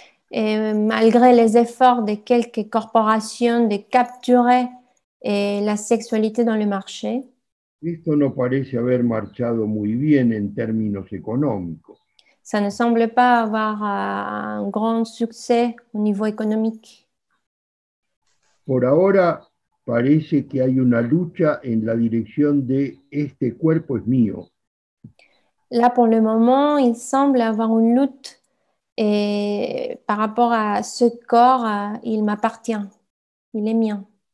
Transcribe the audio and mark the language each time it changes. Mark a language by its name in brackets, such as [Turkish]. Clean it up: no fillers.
[French] Et malgré les efforts de quelques corporations de capturer la sexualité dans le marché. [Spanish] Esto no parece haber marchado muy bien en términos económicos. [French] Ça ne semble pas avoir un grand succès au niveau économique. [Spanish] Por ahora parece que hay una lucha en la dirección de este cuerpo es mío. [French] Là, pour le moment, il semble avoir une lutte et par rapport à ce corps, il m'appartient, il est mien.